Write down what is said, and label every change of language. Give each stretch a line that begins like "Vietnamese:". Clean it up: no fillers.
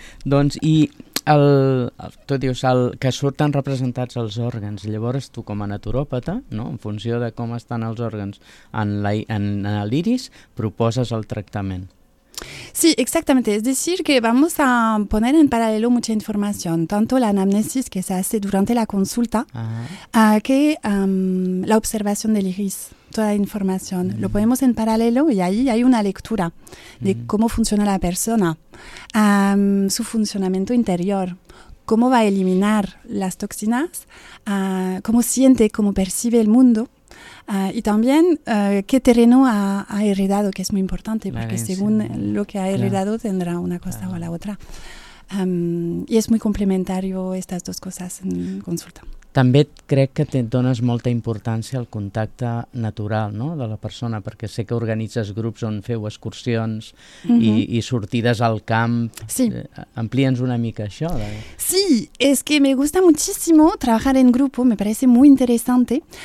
Catalan: Doncs, i tu dius que surten representats els òrgans. Llavors, tu com a naturòpata, no, en funció de com estan els òrgans en l'iris, proposes el tractament.
Spanish: Sí, exactamente. Es decir, que vamos a poner en paralelo mucha información, tanto la anamnesis que se hace durante la consulta que la observación del iris, toda la información. Lo ponemos en paralelo y ahí hay una lectura de cómo funciona la persona, su funcionamiento interior, cómo va a eliminar las toxinas, cómo siente, cómo percibe el mundo. Y también qué terreno ha heredado, que es muy importante, porque según lo que ha heredado tendrá una cosa o la otra. Y es muy complementario estas dos cosas en consulta.
Catalan: També crec que te dones molta importància al contacte natural, no?, de la persona, perquè sé que organitzes grups on feu excursions i sortides al camp. Sí. Amplia'ns una mica això.
Spanish: Sí, es que me gusta muchísimo trabajar en grupo, me parece muy interesante.